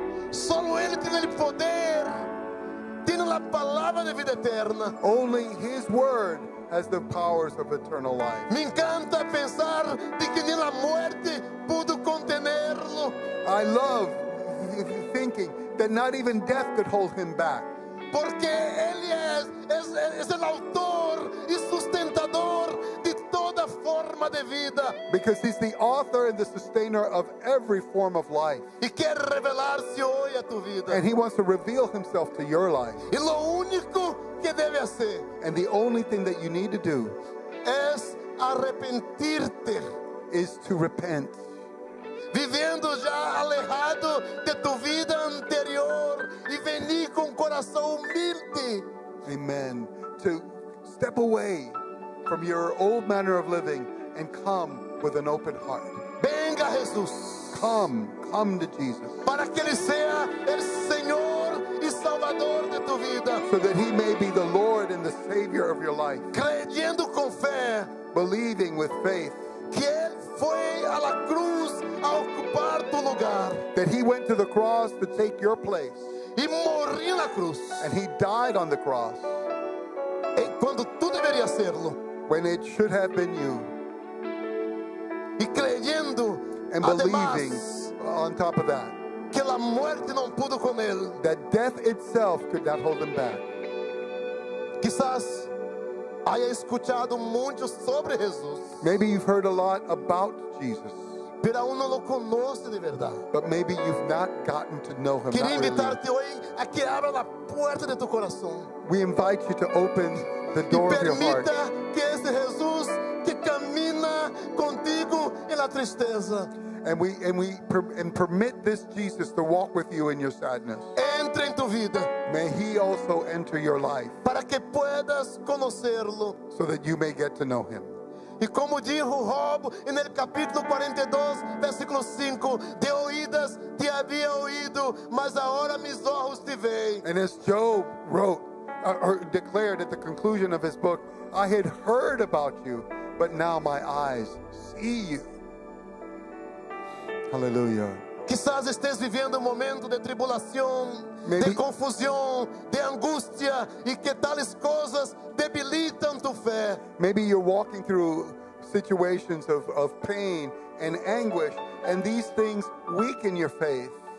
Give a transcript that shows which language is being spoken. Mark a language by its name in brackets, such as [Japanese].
[Portuguese] Solo ele tem o poder. Tem a palavra de vida eterna. [English] Only his word has the powers of eternal life. [Spanish] Me encanta pensar de que nem a morte pudo contenerlo. [English] I love thinking that not even death could hold him back. [Portuguese] Porque ele é o autor e sustentador de toda forma de vida. [English] Because he's the author and the sustainer of every form of life. [Portuguese] E quer revelar-se hoje à tua vida. [English] And he wants to reveal himself to your life. [Portuguese] E o único que deve fazer. [English] And the only thing that you need to do. [Portuguese] É arrepentir-te. [English] Is to repent. [Portuguese] Vivendo já alejado de tu vida anterior e venir com coração humilde. Amen. [English] To step away from your old manner of living and come with an open heart. [Spanish] Venga Jesus. [English] Come to Jesus. [Portuguese] Para que ele seja o Senhor e Salvador de tu vida. [English] So that he may be the Lord and the Savior of your life. [Portuguese] Crendo com fé. [English] Believing with faith. [Portuguese] Que ele foi à la cruz a ocupar tu lugar. [English] That he went to the cross to take your place. [Portuguese] E morreu na cruz. [English] And he died on the cross. [Portuguese] E quando tu deveria serlo. [English] When it should have been you. [Portuguese] E crendo. [English] And believing on top of that. [Portuguese] Que a morte não pôde com ele. [English] That death itself could not hold him back. [Spanish] Quizás haya escuchado muito sobre Jesus. [English] Maybe you've heard a lot about Jesus. [Spanish] Pero aún no lo conoce de verdad. [English] But maybe you've not gotten to know him. [Spanish] Quiero invitarte hoy a que abra la puerta de tu corazón. [English] We invite you to open the door of your heart. [Spanish] Y permita que ese Jesús que camina contigo en la tristeza. [English] And permit this Jesus to walk with you in your sadness. [Portuguese] Entre em tua vida. [English] May he also enter your life. [Spanish] Para que puedas conocerlo. [English] So that you may get to know him. [Spanish] E como dijo Job en el capítulo 42, versículo 5, de oídas te había oído, mas ahora mis ojos te veem. [English] And as Job wrote, or declared at the conclusion of his book, I had heard about you, but now my eyes see you. Hallelujah. [Portuguese] Quizás estés vivendo momento de tribulação, de confusão, de angústia, e que tales coisas debilitam tua fé. [English] Maybe you're walking through situations of pain and anguish, and these things weaken your faith.